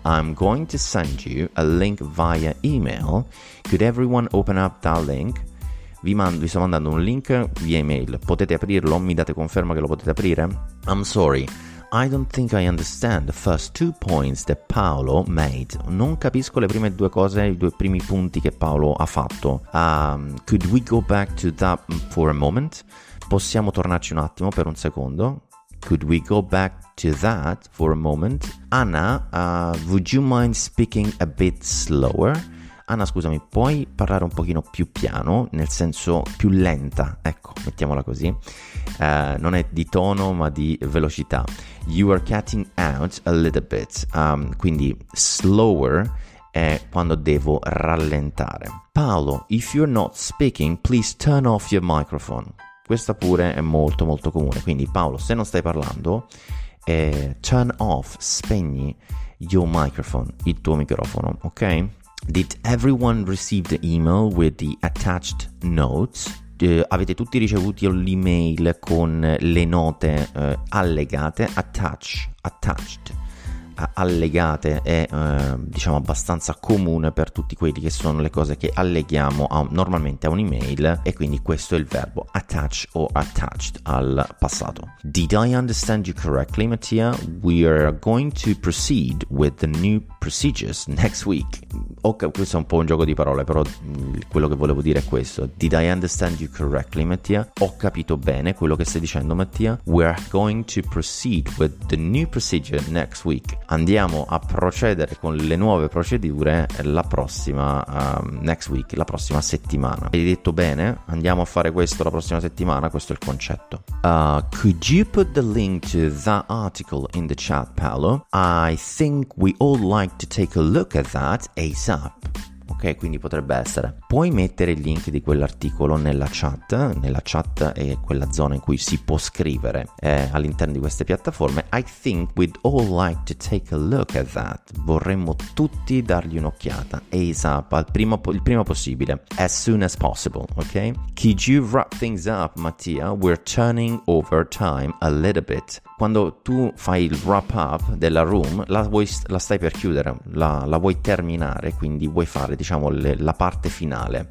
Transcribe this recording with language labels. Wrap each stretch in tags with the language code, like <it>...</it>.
<en>I'm going to send you a link via email. Could everyone open up that link?</en> <it>Vi sto mandando un link via email. Potete aprirlo? Mi date conferma che lo potete aprire?</it> <en>I'm sorry, I don't think I understand the first two points that Paolo made.</en> <it>Non capisco le prime due cose, i due primi punti che Paolo ha fatto.</it> <en>Could we go back to that for a moment?</en> <it>Possiamo tornarci un attimo per un secondo?</it> <en>Could we go back to that for a moment? Anna, would you mind speaking a bit slower?</en> <it>Anna, scusami, puoi parlare un pochino più piano, nel senso più lenta, ecco, mettiamola così. Non è di tono, ma di velocità.</it> <en>You are cutting out a little bit.</en> <it>Quindi slower è quando devo rallentare.</it> <en>Paolo, if you're not speaking, please turn off your microphone.</en> <it>Questa pure è molto molto comune. Quindi Paolo, se non stai parlando,</it> <en>turn off,</en> <it>spegni</it> <en>your microphone,</en> <it>il tuo microfono, ok?</it> <en>Did everyone receive the email with the attached notes?</en> <it>Avete tutti ricevuto l'email con le note allegate? Attached. allegate è diciamo abbastanza comune per tutti quelli che sono le cose che alleghiamo normalmente a un'email, e quindi questo è il verbo attach o attached al passato.</it> <en>Did I understand you correctly, Mattia? We are going to proceed with the new procedures next week.</en> <it>Ok, questo è un po' un gioco di parole, però quello che volevo dire è questo.</it> <en>Did I understand you correctly, Mattia?</en> <it>Ho capito bene quello che stai dicendo, Mattia?</it> <en>We are going to proceed with the new procedure next week.</en> <it>Andiamo a procedere con le nuove procedure la prossima</it> <en>next week,</en> <it>la prossima settimana. Hai detto bene? Andiamo a fare questo la prossima settimana, questo è il concetto.</it> <en>Could you put the link to that article in the chat, Paolo? I think we all like to take a look at that ASAP.</en> <it>Ok, quindi potrebbe essere: puoi mettere il link di quell'articolo nella chat? Nella chat è quella zona in cui si può scrivere all'interno di queste piattaforme.</it> <en>I think we'd all like to take a look at that.</en> <it>Vorremmo tutti dargli un'occhiata ASAP, il prima possibile,</it> <en>as soon as possible. Ok, could you wrap things up, Mattia? We're turning over time a little bit.</en> <it>Quando tu fai il wrap up della room, la stai per chiudere, la vuoi terminare, quindi vuoi fare, diciamo, la parte finale.</it>